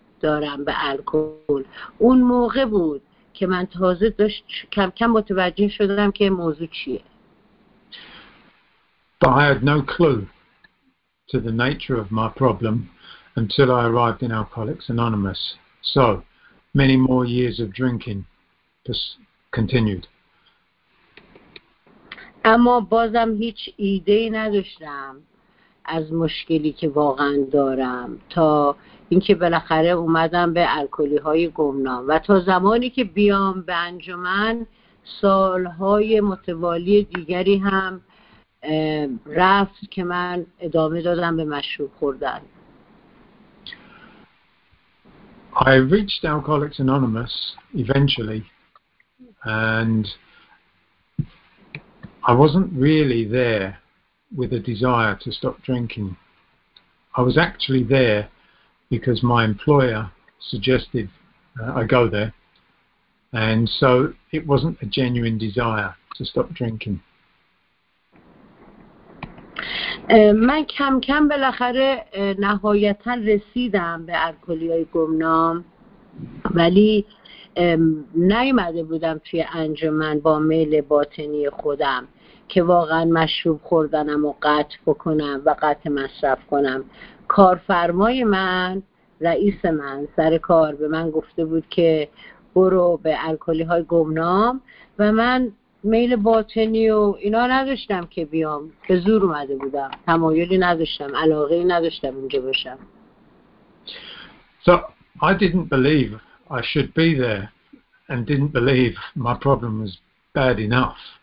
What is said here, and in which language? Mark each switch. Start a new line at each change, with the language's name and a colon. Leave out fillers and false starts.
Persian: دارم به الکل. اون موقع بود که من تازه داشت کم کم متوجه شدم که موضوع چیه.
English: But I had no clue to the nature of my problem until I arrived in Alcoholics Anonymous. So many more years of drinking continued.
Persian: اما بازم هیچ ایده ای نداشتم از مشکلی که واقعا دارم تا اینکه بالاخره اومدم به الکلی های گمنام و تا زمانی که بیام به انجمن سالهای متوالی دیگری هم رفت که من ادامه دادم به مشروب خوردن.
English: I reached Alcoholics Anonymous eventually and I wasn't really there with a desire to stop drinking. I was actually there because my employer suggested I go there, and so it wasn't a genuine desire to stop drinking.
Persian: من کم کم بالاخره نهایتا رسیدم به الکلی‌های گمنام، ولی نیومده بودم توی انجمن با میل باطنی خودم که واقعا مشروب خوردنم و قطع بکنم و قطع مصرف کنم. کارفرمای من، رئیس من سر کار به من گفته بود که برو به الکلی های گمنام و من میل باطنی و اینا نداشتم که بیام، به زور اومده بودم، تمایلی نداشتم، علاقه نداشتم اونجا باشم.
English: So I didn't believe I should be there and didn't believe my problem was bad enough.